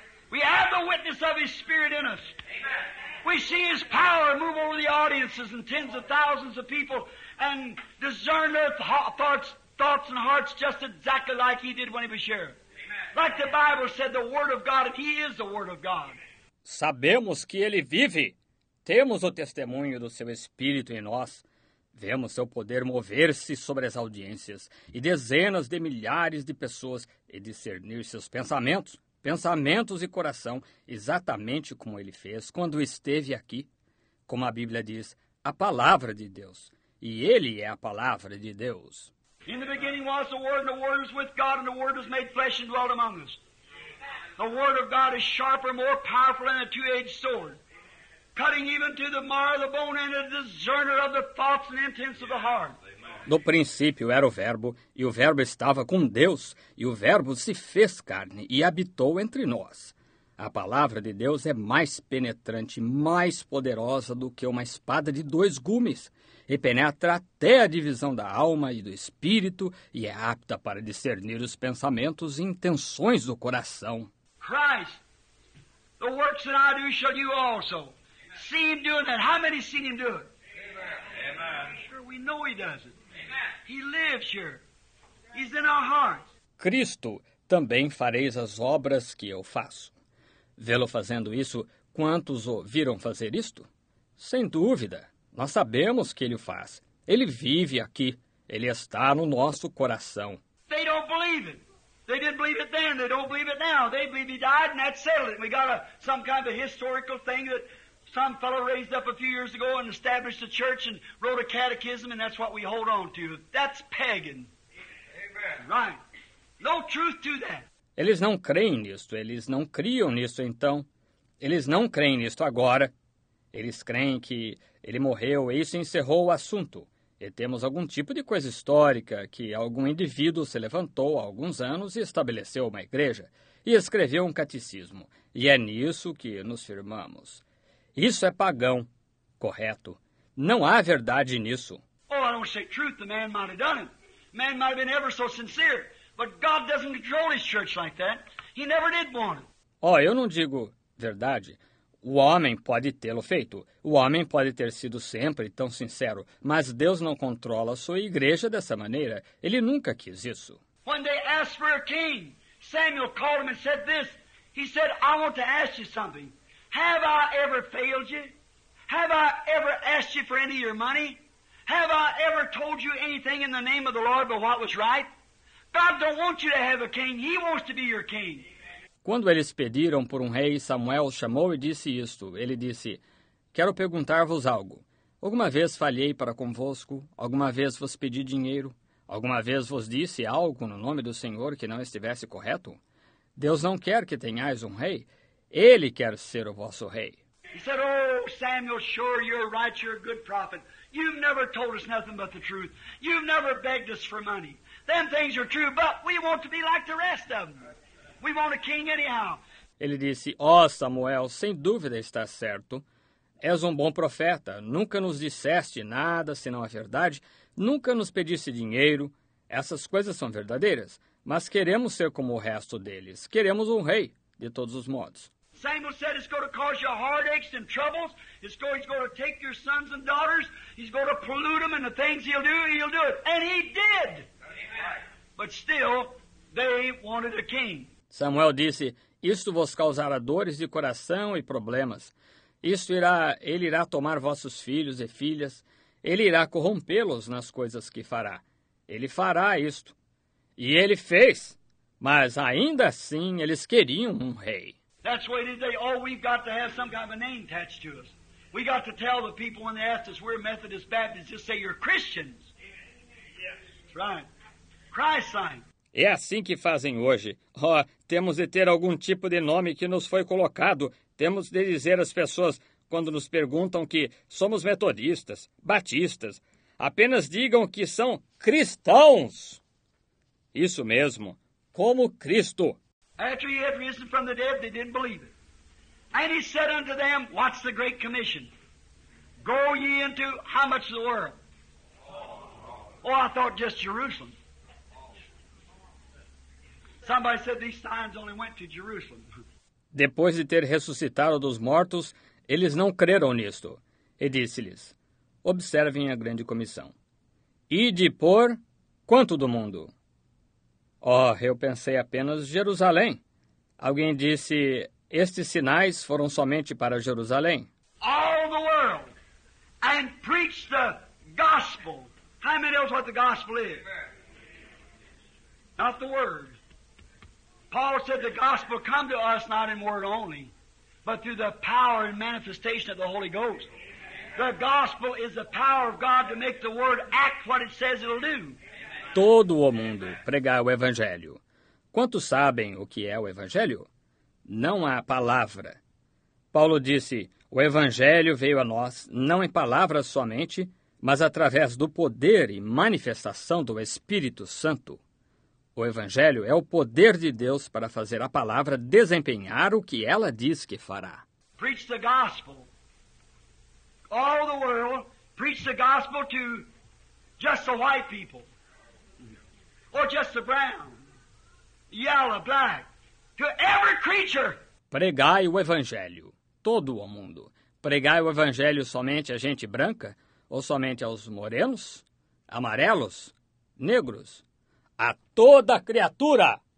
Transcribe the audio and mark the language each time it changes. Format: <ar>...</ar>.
<en>We have the witness of his spirit in us. We see his power move over the audiences and tens of thousands of people and discern their thoughts and hearts just exactly like he did when he was here. Like the Bible said, the word of God, he is the word of God.</en> <pt>Sabemos que ele vive. Temos o testemunho do seu Espírito em nós. Vemos seu poder mover-se sobre as audiências e dezenas de milhares de pessoas e discernir seus pensamentos e coração, exatamente como ele fez quando esteve aqui. Como a Bíblia diz, a palavra de Deus. E ele é a palavra de Deus.</pt> <en>In the beginning was the Word, and the Word was with God, and the Word was made flesh and dwelt among us. The Word of God is sharper, more powerful than a two-edged sword. Cutting even to the marrow of the bone and a discerner of the thoughts and intents of the heart.</en> <pt>No princípio era o Verbo, e o Verbo estava com Deus, e o Verbo se fez carne e habitou entre nós. A palavra de Deus é mais penetrante, mais poderosa do que uma espada de dois gumes, e penetra até a divisão da alma e do espírito, e é apta para discernir os pensamentos e intenções do coração.</pt> <en>Christ, the works that I do shall you also. Amen. See him doing that. How many seen him do it? Amen. Sure, we know he does it. Amen. He lives here. He's in our hearts.</en> <pt>Cristo, também fareis as obras que eu faço. Vê-lo fazendo isso, quantos o viram fazer isto? Sem dúvida, nós sabemos que ele o faz. Ele vive aqui. Ele está no nosso coração.</pt> <en>They don't believe it. They didn't believe it then. They don't believe it now. They believe he died and that settled it. We got some kind of a historical thing that some fellow raised up a few years ago and established a church and wrote a catechism, and that's what we hold on to. That's pagan. Amen. Right. No truth to that.</en> <pt>Eles não creem nisto. Eles não criam nisto, então. Eles não creem nisto agora. Eles creem que ele morreu e isso encerrou o assunto. E temos algum tipo de coisa histórica que algum indivíduo se levantou há alguns anos e estabeleceu uma igreja e escreveu um catecismo. E é nisso que nos firmamos. Isso é pagão, correto. Não há verdade nisso.</pt> <en>Oh, I don't say truth. The man might have done it. Man might have been ever so sincere. But God doesn't control his church like that. He never did want it.</en> <pt>Oh, eu não digo verdade. O homem pode tê-lo feito. O homem pode ter sido sempre tão sincero. Mas Deus não controla a sua igreja dessa maneira. Ele nunca quis isso.</pt> <en>When they asked for a king, Samuel called him and said this. He said, I want to ask you something. Have I ever failed you? Have I ever asked you for any of your money? Have I ever told you anything in the name of the Lord but what was right? God don't want you to have a king. He wants to be your king.</en> <pt>Quando eles pediram por um rei, Samuel chamou e disse isto. Ele disse, quero perguntar-vos algo. Alguma vez falhei para convosco? Alguma vez vos pedi dinheiro? Alguma vez vos disse algo no nome do Senhor que não estivesse correto? Deus não quer que tenhais um rei. Ele quer ser o vosso rei.</pt> <en>He said, "Oh, Samuel, sure, you're right, you're a good prophet. You've never told us nothing but the truth. You've never begged us for money. Them things are true, but we want to be like the rest of them. We want a king anyhow."</en> <pt>Ele disse, "Oh, Samuel, sem dúvida está certo. És um bom profeta. Nunca nos disseste nada senão a verdade. Nunca nos pediste dinheiro. Essas coisas são verdadeiras. Mas queremos ser como o resto deles. Queremos um rei, de todos os modos."</pt> <en>Samuel said it's going to cause you heartaches and troubles. It's going to take your sons and daughters. He's going to pollute them and the things he'll do it. And he did. But still, they wanted a king.</en> <pt>Samuel disse, "Isto vos causará dores de coração e problemas. Isto irá, ele irá tomar vossos filhos e filhas. Ele irá corrompê-los nas coisas que fará. Ele fará isto." E ele fez. Mas ainda assim, eles queriam um rei.</pt> <en>That's why they say, "Oh, we've got to have some kind of a name attached to us. We got to tell the people when they ask us, we're Methodist Baptists, just say you're Christians." Yes. That's right. Christ sign.</en> <pt>É assim que fazem hoje. Oh, temos de ter algum tipo de nome que nos foi colocado. Temos de dizer às pessoas, quando nos perguntam, que somos metodistas, batistas. Apenas digam que são cristãos. Isso mesmo, como Cristo.</pt> <en>After he had risen from the dead, they didn't believe it. And he said unto them, what's the great commission? Go ye into how much of the world? Oh, I thought just Jerusalem. Somebody said these signs only went to Jerusalem.</en> <pt>Depois de ter ressuscitado dos mortos, eles não creram nisto. E disse-lhes, observem a grande comissão. Ide por quanto do mundo? Oh, eu pensei apenas Jerusalém. Alguém disse, estes sinais foram somente para Jerusalém.</pt> <en>All the world. And preach the gospel. How many knows what the gospel is? Not the word. Paul said the gospel come to us not in word only, but through the power and manifestation of the Holy Ghost. The gospel is the power of God to make the word act what it says it'll do.</en> <pt>Todo o mundo pregar o evangelho. Quantos sabem o que é o evangelho? Não há palavra. Paulo disse, o evangelho veio a nós não em palavras somente, mas através do poder e manifestação do Espírito Santo. O evangelho é o poder de Deus para fazer a palavra desempenhar o que ela diz que fará.</pt> <en>Preach the gospel. All the world, preach the gospel to just the white people. Or just the brown, yellow, black, to every creature.</en> <pt>Pregai o evangelho, todo o mundo. Pregai o evangelho somente a gente branca, ou somente aos morenos, amarelos, negros, a toda criatura.</pt>